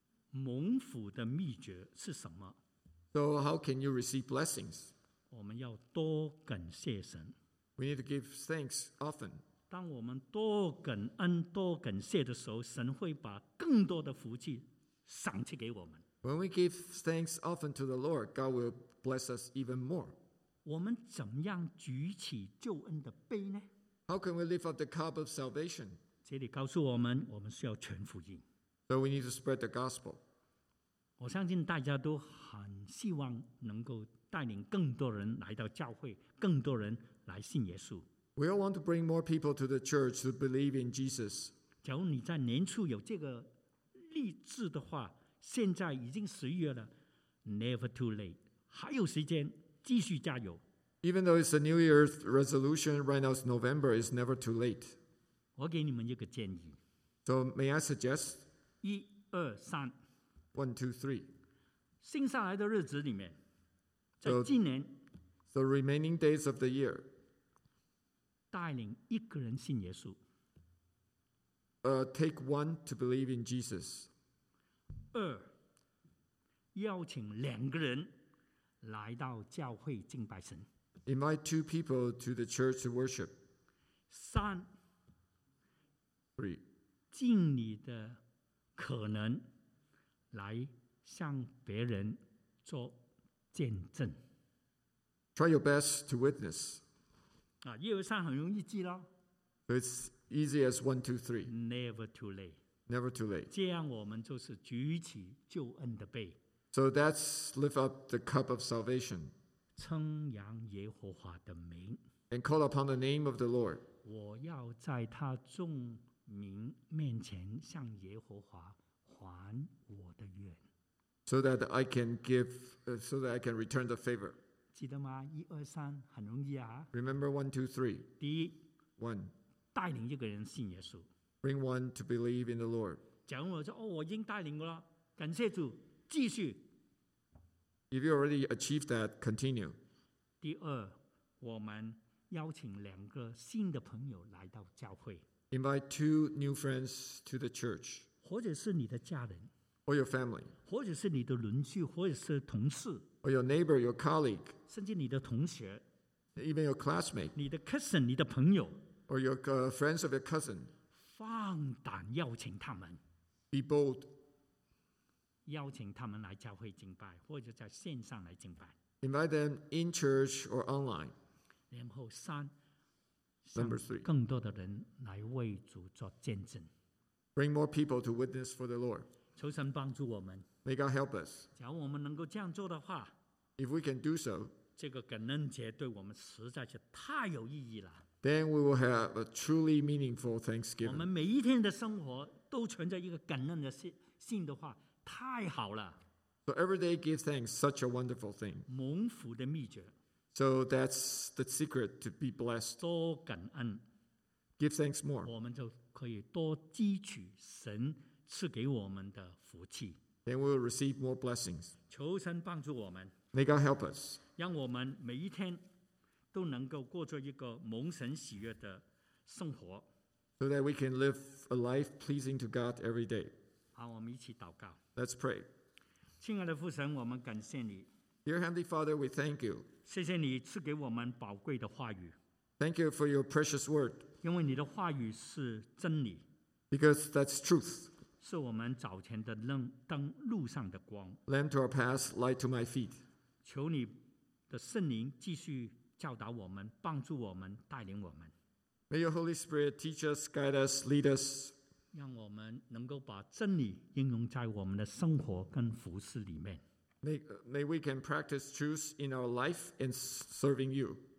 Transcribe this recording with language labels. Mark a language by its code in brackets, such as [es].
[zh] 蒙福的秘诀是什么 [en] ？So how can you receive blessings? [zh] 我们要多感谢神。 [en] We need to give thanks often. [zh] 当我们多感恩、多感谢的时候，神会把更多的福气赏赐给我们。 [en] When we give thanks often to the Lord, God will bless us even more. [zh] 我们怎么样举起救恩的杯呢？ [en] How can we lift up the cup of salvation? [zh] 这里告诉我们，我们需要全福音。 [en] So we need to spread the gospel. [zh] 我相信大家都很希望能够带领更多人来到教会，更多人来信耶稣。 [en] We all want to bring more people to the church to believe in Jesus. [zh] 假如你在年初有这个立志的话，现在已经十月了 ， [en] Never too late， [zh] 还有时间，继续加油。 [en] Even though it's a New Year's resolution, right now it's November, it's never too late. [zh] 我给你们一个建议。 [en] So may I suggest? [zh] 一二三。 [en] One two three. [zh] 剩下来的日子里面，在今年。 [en] The remaining days of the year. [zh] 带领一个人信耶稣。 [en] Take one to believe in Jesus. [zh] 二，邀请两个人来到教会敬拜神。 [en] Invite two people to the church to worship. [zh] 三 [en] Three. [zh] 尽你的可能来向别人做见证。 [en] Try your best to witness. [zh] 一二三很容易记了。 [en] It's easy as one, two, three. Never too late. Never too late. [zh] 这样我们就是举起救恩的杯。 [en] So that's lift up the cup of salvation. [zh] 称扬耶和华的名。 [en] And call upon the name of the Lord. [zh] 我要在他众民面前向耶和华还我的愿。 [en] So that I can give, so that I can return the favor. [zh] 记得吗？一二三，很容易啊。 [en] Remember one, two, three. [zh] 第一。 [en] One. [zh] 带领一个人信耶稣。 [en] Bring one to believe in the Lord. [zh] 讲我说哦，我已经带领了，感谢主。继续。 [en] If you already achieve that, continue. [zh] 第二，我们邀请两个新的朋友来到教会。 [en] Invite two new friends to the church. [zh] 或者是你的家人。 [en] Or your family. [zh] 或者是你的邻居，或者是同事。 [en] Or your neighbor, your colleague. [zh] 甚至你的同学。 [en] Even your classmate. [zh] 你的 cousin, 你的朋友。 [en] Or your friends of your cousin. [zh] 放胆邀请他们。 [en] Be bold. [zh] 邀请他们来教会敬拜，或者在线上来敬拜。 [en] Invite them in church or online. [zh] 然后三 [en] ，Number three， [zh] 更多的人来为主做见证。 [en] Bring more people to witness for the Lord. [zh] 求神帮助我们。 [en] May God help us. [zh] 假如我们能够这样做的话 [en] ，If we can do so， [zh] 这个感恩节对我们实在是太有意义了。 [en] Then we will have a truly meaningful Thanksgiving. [zh] 我们每一天的生活都存着一个感恩的心的话。太好了。 [en] So every day give thanks, such a wonderful thing. [zh] 蒙福的秘诀。 [en] So that's the secret to be blessed. [zh] 多感恩。 [en] Give thanks more. [zh] 我们就可以多汲取神赐给我们的福气。 [en] Then we'll receive more blessings. [zh] 求神帮助我们。 [en] May God help us. [zh] 让我们每一天都能够过着一个蒙神喜悦的生活。 [en] So that we can live a life pleasing to God every day. [zh] 好，我们一起祷告。 [en] Let's pray. [zh] 亲爱的父神，我们感谢你。 [en] Dear Heavenly Father, we thank you. [zh] 谢谢你赐给我们宝贵的话语。 [en] Thank you for your precious word. [zh] 因为你的话语是真理。 [en] Because that's truth. [zh] 是我们早前的灯路上的光。 [en] Lamp to our path, light to my feet. [zh] 求你的圣灵继续教导我们，帮助我们，带领我们。 [en] May your Holy Spirit teach us, guide us, lead us. [zh] 让我们能够把真理应用在我们的生活跟服事里面。 [en] May we can practice truth in our life and serving you.